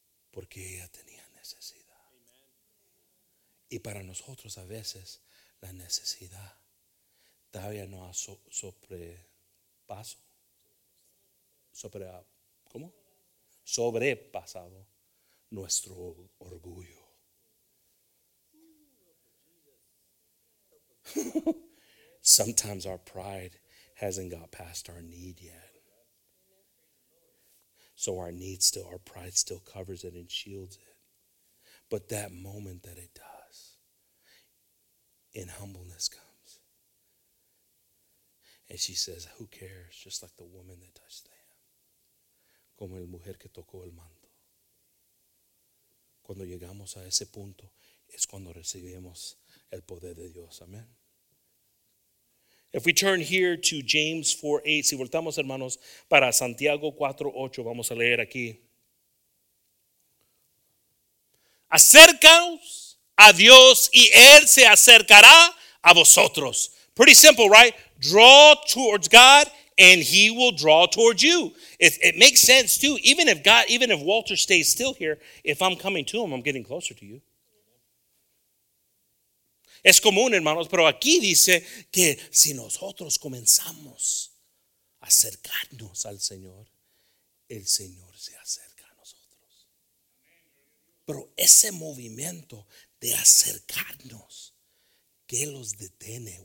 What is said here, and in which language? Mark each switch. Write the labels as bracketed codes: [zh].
[es] Porque ella tenía necesidad. Amen. Y para nosotros a veces, la necesidad todavía no ha sobrepasado nuestro orgullo. [en] Sometimes our pride hasn't got past our need yet. So our need still, our pride still covers it and shields it. But that moment that it does, in humbleness comes. And she says, who cares? Just like the woman that touched the hem. [es] Como el mujer que tocó el manto. Cuando llegamos a ese punto, es cuando recibimos el poder de Dios. Amen. [en] If we turn here to James 4:8, [es] si voltamos, hermanos, para Santiago 4:8, vamos a leer aquí. Acercaos a Dios y Él se acercará a vosotros. [en] Pretty simple, right? Draw towards God and He will draw towards you. It makes sense too. Even if Walter stays still here, if I'm coming to him, I'm getting closer to you. [es] Es común, hermanos, pero aquí dice que si nosotros comenzamos a acercarnos al Señor, el Señor se acerca a nosotros. Pero ese movimiento de acercarnos, ¿qué los detiene?